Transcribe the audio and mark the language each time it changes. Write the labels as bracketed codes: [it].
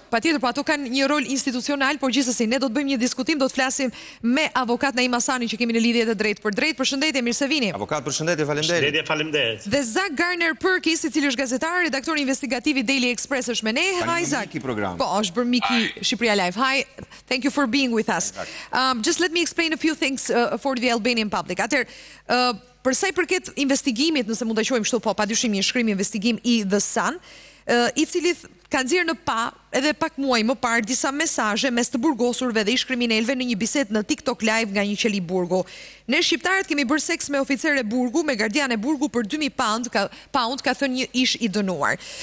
[sq] Patjetër, po ato kanë një rol institucional, por gjithsesi ne do të bëjmë një diskutim, do të flasim me avokat Naim Hasani që kemi në lidhje të drejtë për drejtë. Përshëndetje, mirë se vini. Avokat, përshëndetje, faleminderit. Shëndetje, faleminderit. Dhe Zak Garner Perkis, i cili është gazetar, redaktor investigativ i Daily Express, është me ne. [en] Hi Zak. Miki program. [sq] Po, është bër Miki Shqipëria Live. [en] Hi. Thank you for being with us. Just let me explain a few things for the Albanian public. [sq] Për sa i përket investigimit, nëse mund ta quajmë kështu, po padyshim një shkrim investigim i The Sun, i cili ka nxjerrë në pa edhe pak muaj më parë disa mesazhe mes të burgosurve dhe ish kriminalëve në një bisedë në TikTok Live nga një qeli burgu. Ne shqiptarët kemi bërë seks me oficere burgu, me gardiane burgu për 2000 pound, ka thënë një ish i dënuar.